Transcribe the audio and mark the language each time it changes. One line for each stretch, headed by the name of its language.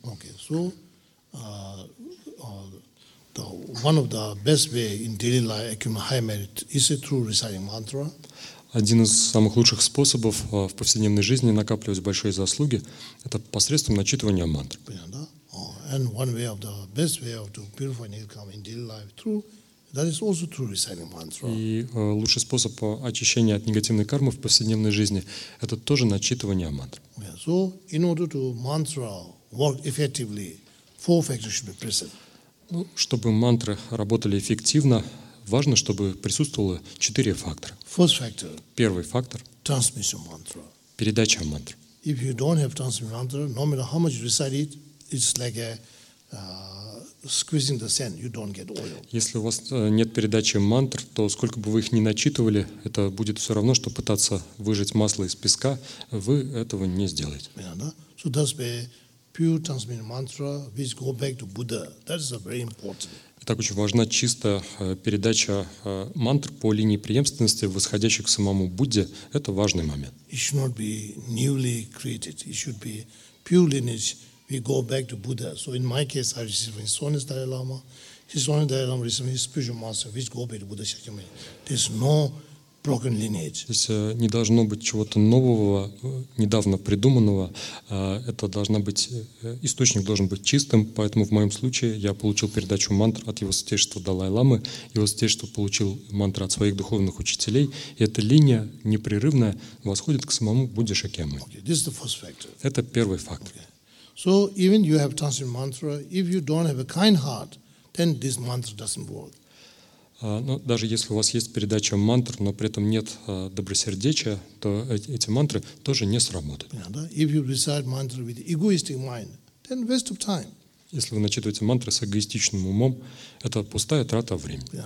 English: dare durum The, one of the best way in daily life accumulate high merit is through reciting mantra.
Russian: Один из самых лучших способов в повседневной жизни накапливать большие заслуги – это посредством начитывания мантр.
English: And one way of the best way of to purify and come in daily life through that is also through reciting mantra.
Russian: И лучший способ очищения от негативной кармы в повседневной жизни – это тоже начитывание мантр.
English: Yeah, so in order to mantra work effectively, four factors should be present.
Russian: Ну, чтобы мантры работали эффективно, важно, чтобы присутствовало четыре фактора.
English: First factor,
Russian: первый фактор
English: – transmission mantra.
Russian: Передача мантр.
English: If you don't have transmission mantra, no matter how much you recite it, it's like a squeezing the sand, you don't get oil.
Russian: Если у вас нет передачи мантр, то сколько бы вы их ни начитывали, это будет все равно, что пытаться выжать масло из песка, вы этого не сделаете.
English: So that's why pure transmitted mantra, which go back to Buddha. That is a very important.
Russian: Итак, очень важна чистая передача мантр по линии преемственности, восходящих к самому Будде. Это важный момент.
English: It should not be newly created. It should be pure lineage. We go back to Buddha. So in my case, I receive His Holiness Dalai Lama. His Holiness Dalai Lama receives His spiritual master, which go back to Buddha Shakyamuni. There is no broken lineage.
Russian: То есть не должно быть чего-то нового, недавно придуманного. Это должна быть, источник должен быть чистым, поэтому в моем случае я получил передачу мантр от Его Святейшества Далай-Ламы, Его Святейшество получил мантр от своих духовных учителей, и эта линия непрерывная восходит к самому Будде Шакьямуни.
English: Okay, this is the first factor.
Russian: Это первый фактор.
English: Okay. So even you have transcendental mantra, if you don't have a kind heart, then this mantra doesn't work.
Russian: Но даже если у вас есть передача мантр, но при этом нет добросердечия, то эти мантры тоже не сработают. Если вы начитываете мантры с эгоистичным умом, это пустая трата времени.